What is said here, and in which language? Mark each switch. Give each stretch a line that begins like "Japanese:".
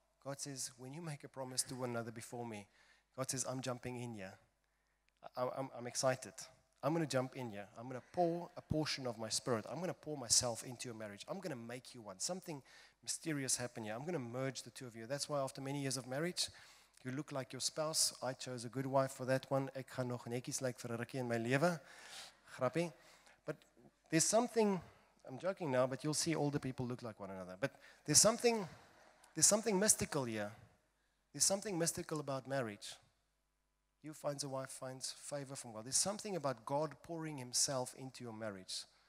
English: God says, when you make a promise to one another before me, God says, I'm jumping in ya. I'm excited. I'm going to jump in ya. I'm going to pour a portion of my spirit. I'm going to pour myself into your marriage. I'm going to make you one. Something mysterious happened here. I'm going to merge the two of you. That's why after many years of marriage, you look like your spouse. I chose a good wife for that one.
Afrikaans: Ek gaan nog netjies lyk vir 'n rukkie in my lewe. Grappie.
English: But there's something, I'm joking now, but you'll see older people look like one another. But there's something mystical here. There's something mystical about marriage. You find a wife, finds favor from God. There's something about God pouring himself into your marriage.